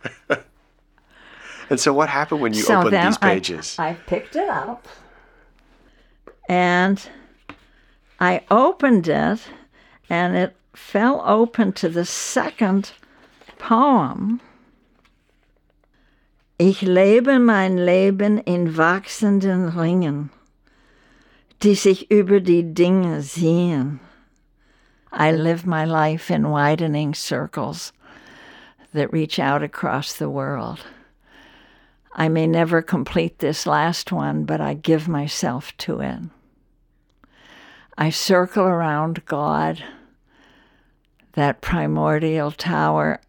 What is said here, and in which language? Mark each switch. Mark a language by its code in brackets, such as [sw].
[en] Yeah. And so what happened when you opened these pages? I picked it up and I opened it and it fell open to the second poem. [de] Ich lebe mein Leben in wachsenden Ringen, die sich über die Dinge sehen. [en] I live my life in widening circles that reach out across the world. I may never complete this last one, but I give myself to it. I circle around God, that primordial tower.